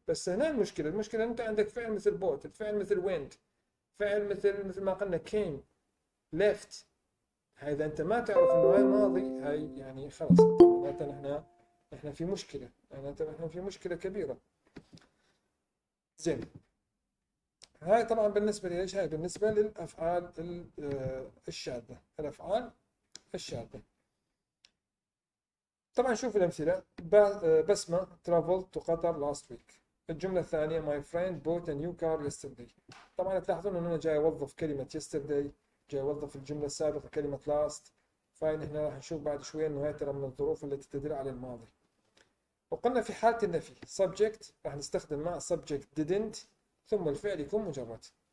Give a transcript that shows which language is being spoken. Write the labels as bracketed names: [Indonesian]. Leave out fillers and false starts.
[Arabic] بس هنا المشكله انت عندك فعل مثل بوت، فعل مثل ويند، فعل مثل ما قلنا كيم ليفت، اذا انت ما تعرف انه هاي ماضي هاي يعني خلاص معناته احنا في مشكله، معناته احنا في مشكله كبيره. زين هاي طبعا بالنسبة ليش؟ هاي بالنسبة للأفعال الشاذة، الأفعال الشاذة. طبعا شوف الأمثلة، [English] بسمة traveled to Qatar last week. [Arabic] الجملة الثانية [English] my friend bought a new car yesterday. [Arabic] طبعا تلاحظون أن أنا جاي أوظف كلمة yesterday، جاي أوظف الجملة السابقة كلمة last، فإن إحنا راح نشوف بعد شوية أنه هاي ترى من الظروف التي تدل على الماضي. وقلنا في حالة النفي subject راح نستخدم مع subject didn't ثم الفعل يكون مجرد.